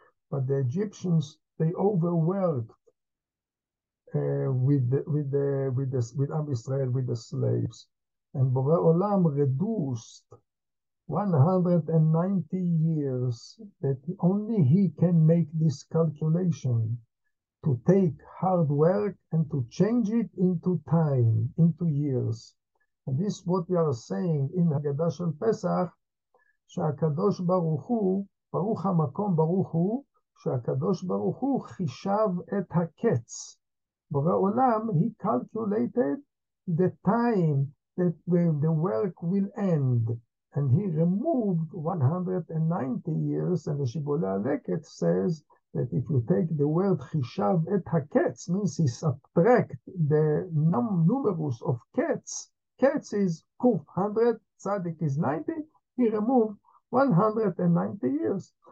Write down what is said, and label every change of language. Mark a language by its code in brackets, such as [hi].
[en] But the Egyptians, they overworked with Am Yisrael, with the slaves, and Borei Olam reduced 190 years that only he can make this calculation to take hard work and to change it into time, into years. And this is what we are saying in Haggadah Shel Pesach, [he] שהקדוש ברוך הוא, ברוך המקום ברוך הוא, שהקדוש ברוך הוא חישב את הקץ. [en] בורא עולם, he calculated the time that the work will end, and he removed 190 years, and the Shibboleth HaLeket says that if you take the word [he] חישב את הקץ, [en] means he subtract the numerus of קץ, קץ is קוף, 100, צדיק is 90, he removed 190 years.